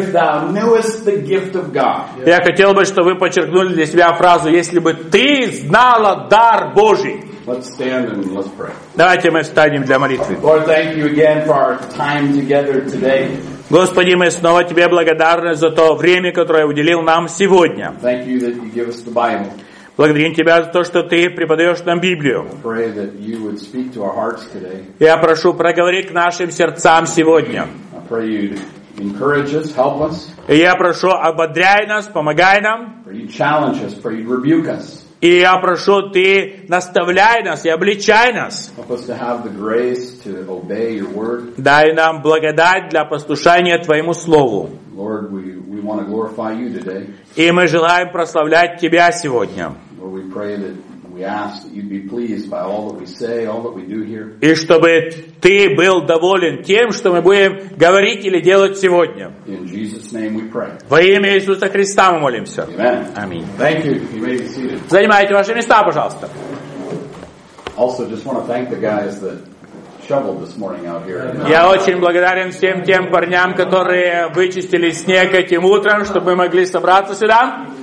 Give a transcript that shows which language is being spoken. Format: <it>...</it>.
<ru>Я хотел бы, чтобы вы подчеркнули для себя фразу, если бы ты знала дар Божий.</ru> <en>Let's stand and let's pray.</en> <ru>Давайте мы встанем для молитвы.</ru> <en>Lord, thank you again for our time together today.</en> <ru>Господи, мы снова Тебе благодарны за то время, которое уделил нам сегодня.</ru> <en>Thank you that you give us the Bible.</en> <ru>Благодарим Тебя за то, что Ты преподаешь нам Библию.</ru> <en>Pray that you would speak to our hearts today.</en> <ru>Я прошу, проговори к нашим сердцам сегодня.</ru> <en>I pray you to encourage us, help us.</en> <ru>И я прошу, ободряй нас, помогай нам.</ru> <en>Pray you challenge us, pray you rebuke us.</en> <ru>И я прошу, ты наставляй нас и обличай нас.</ru> <en>Help us to have the grace to obey your word.</en> <ru>Дай нам благодать для послушания Твоему Слову.</ru> <en>Lord, we want to glorify you today.</en> <ru>И мы желаем прославлять Тебя сегодня.</ru> <en>Lord, we pray that we ask that you'd be pleased by all that we say, all that we do here.</en> <ru>И чтобы Ты был доволен тем, что мы будем говорить или делать сегодня.</ru> <en>In Jesus' name we pray.</en> <ru>Во имя Иисуса Христа мы молимся.</ru> <en>Amen.</en> <ru>Аминь.</ru> <en>Thank you. You may be seated.</en> <ru>Занимайте ваши места, пожалуйста.</ru> <en>Also, just want to thank the guys that shoveled this morning out here.</en> <ru>Я очень благодарен всем тем парням, которые вычистили снег этим утром, чтобы мы могли собраться сюда.</ru>